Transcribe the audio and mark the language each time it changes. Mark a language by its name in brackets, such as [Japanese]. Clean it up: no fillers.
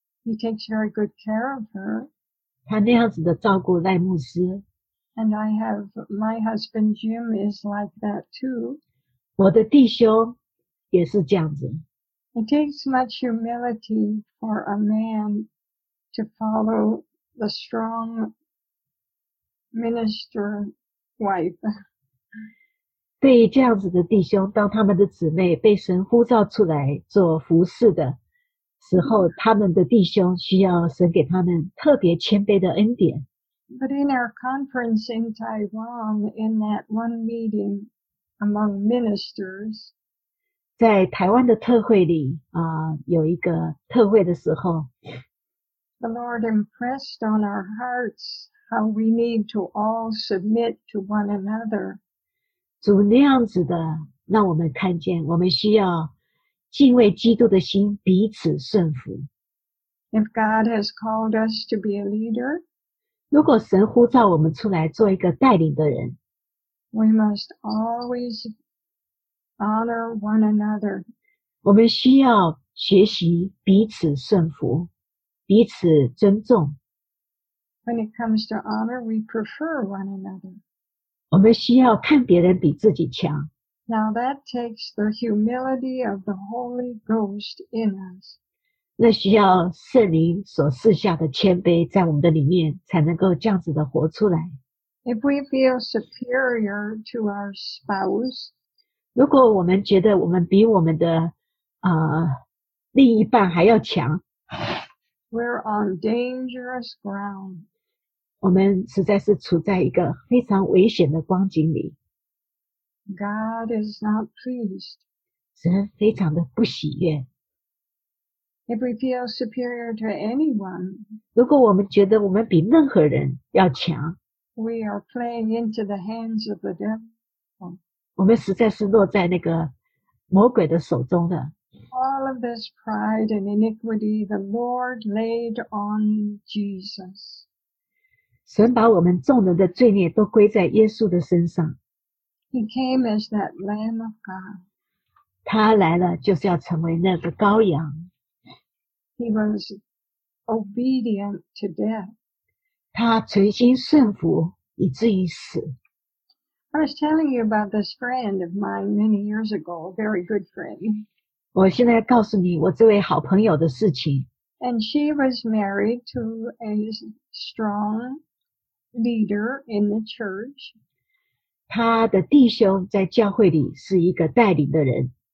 [English] He takes very good care of her. [Chinese] 他那样子的照顾赖牧师。 [English] And I have, my husband Jim is like that too. [Chinese] 我的弟兄也是这样子。 [English] It takes much humility for a man to follow the strong minister wife. [Chinese] 对于这样子的弟兄，当他们的姊妹被神呼召出来做服事的时候，他们的弟兄需要神给他们特别谦卑的恩典。 [English] But in our conference in Taiwan, in that one meeting among ministers, [Chinese] 在台湾的特会里有一个特会的时候， [English] The Lord impressed on our hearts how we need to all submit to one another. [Chinese] 主那样子的让我们看见我们需要敬畏基督的心，彼此顺服。 [English] If God has called us to be a leader, [Chinese] 如果神呼召我们出来做一个带领的人， [English] we must always honor one another. [Chinese] 我们需要学习彼此顺服，彼此尊重。 [English] When it comes to honor, we prefer one another. [Chinese] 我们需要看别人比自己强。 [English] Now that takes the humility of the Holy Ghost in us. [Chinese] 那需要圣灵所赐下的谦卑在我们的里面才能够这样子的活出来。 [English] If we feel superior to our spouse, [Chinese] 如果我们觉得我们比我们的另一半还要强， [English] we're on dangerous ground. [Chinese] 我们实在是处在一个非常危险的光景里。 [English] God is not pleased. [Chinese] 神非常的不喜悦。 [English] If we feel superior to anyone, [Chinese] 如果我们觉得我们比任何人要强， [English] we are playing into the hands of the devil. [Chinese] 我们实在是落在那个魔鬼的手中的。 [English] All of this pride and iniquity the Lord laid on Jesus. [Chinese] 神把我们众人的罪孽都归在耶稣的身上。 [English] He came as that Lamb of God. [Chinese] 他来了就是要成为那个羔羊。 [English] He was obedient to death. [Chinese] 他存心顺服以至于死。 [English] I was telling you about this friend of mine many years ago, a very good friend. [Chinese] 我现在告诉你我这位好朋友的事情。 [English] And she was married to a strong leader in the church. [Chinese] 他的弟兄在教会里是一个带领的人。